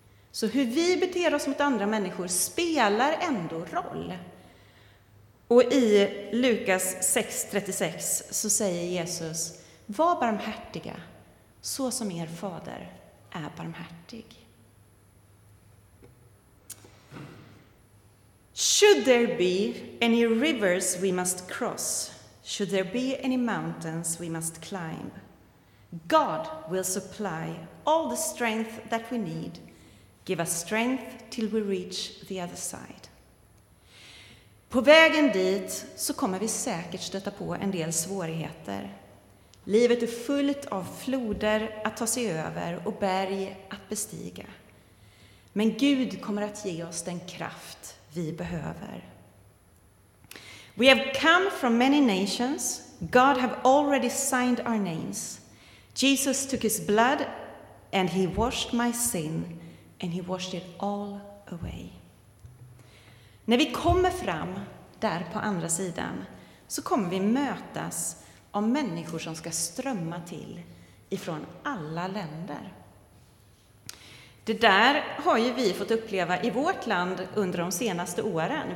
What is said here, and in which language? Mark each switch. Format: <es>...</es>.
<sv>Så hur vi beter oss mot andra människor spelar ändå roll. Och i Lukas 6:36 så säger Jesus: var barmhärtiga så som er fader är barmhärtig.</sv> <en>Should there be any rivers we must cross? Should there be any mountains we must climb? God will supply all the strength that we need. Give us strength till we reach the other side.</en> <sv>På vägen dit så kommer vi säkert stöta på en del svårigheter. Livet är fullt av floder att ta sig över och berg att bestiga. Men Gud kommer att ge oss den kraft vi behöver.</sv> <en>We have come from many nations. God have already signed our names. Jesus took his blood and he washed my sin. And he washed it all away.</en> <sv>När vi kommer fram där på andra sidan så kommer vi mötas av människor som ska strömma till ifrån alla länder. Det där har ju vi fått uppleva i vårt land under de senaste åren.</sv>